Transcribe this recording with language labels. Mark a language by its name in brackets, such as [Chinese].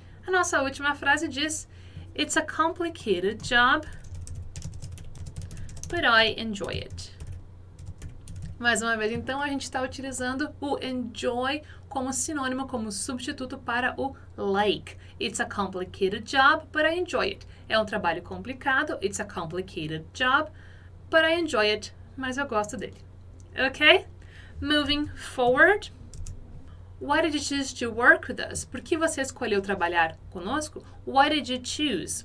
[Portuguese] A nossa última frase diz, [English] it's a complicated job, but I enjoy it. [Portuguese] Mais uma vez, então, a gente está utilizando o enjoy como sinônimo, como substituto para o like. [English] It's a complicated job, but I enjoy it. [Portuguese] É um trabalho complicado, [English] it's a complicated job, but I enjoy it. [Portuguese] Mas eu gosto dele. Ok? [English] Moving forward. Why did you choose to work with us? [Portuguese] Por que você escolheu trabalhar conosco? [English] Why did you choose?